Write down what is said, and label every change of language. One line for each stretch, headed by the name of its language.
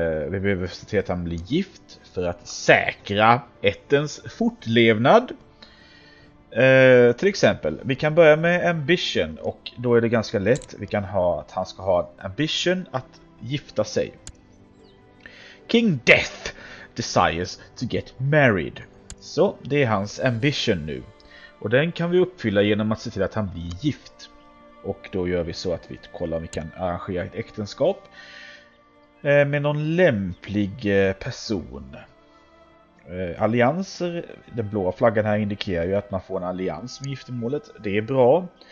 Swedish: Vi behöver se till att han blir gift för att säkra ättens fortlevnad. Till exempel, vi kan börja med ambition och då är det ganska lätt. Vi kan ha att han ska ha ambition att gifta sig.
English: King Death desires to get married.
Swedish: Så, det är hans ambition nu. Och den kan vi uppfylla genom att se till att han blir gift. Och då gör vi så att vi kollar om vi kan arrangera ett äktenskap med någon lämplig person. Allianser, den blåa flaggan här indikerar ju att man får en allians med giftermålet. Det är bra.